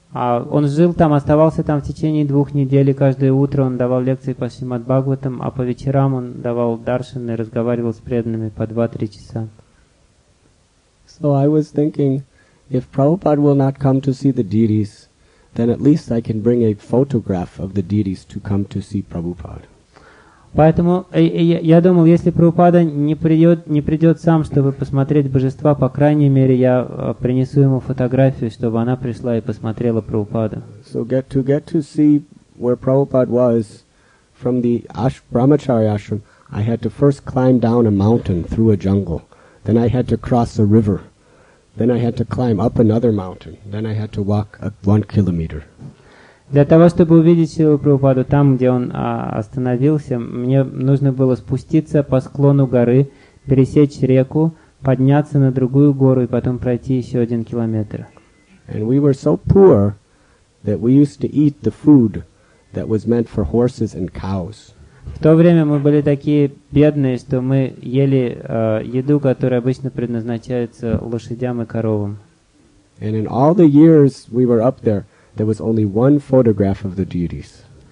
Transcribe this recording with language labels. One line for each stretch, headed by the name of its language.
Russian: Он жил там, оставался там в течение 2 недель, каждое утро он давал лекции по Шримад Бхагаватам, а по вечерам он давал даршан и разговаривал с преданными по 2-3 часа.
English: So I was thinking, if Prabhupada will not come to see the deities, then at least I can bring a photograph of the deities to come to see Prabhupada.
Russian: Поэтому я думал, если Прабхупада не придет сам, чтобы посмотреть божества, по крайней мере я принесу ему фотографию, чтобы она пришла и посмотрела Прабхупада.
English: So to get to see where Prabhupada was from the Brahmachari ashram, I had to first climb down a mountain through a jungle, then I had to cross a river. Then I had to climb up another mountain. Then I had to walk 1 kilometer.
Russian: Для того, чтобы увидеть Шрилу Прабхупаду там, где он остановился, мне нужно было спуститься по склону горы, пересечь реку, подняться на другую гору и потом пройти еще один километр.
English: And we were so poor that we used to eat the food that was meant for horses and cows.
Russian: В то время мы были такие бедные, что мы ели еду, которая обычно предназначается лошадям и коровам.
English: And in all the years we were up there, there was only one photograph of the deities.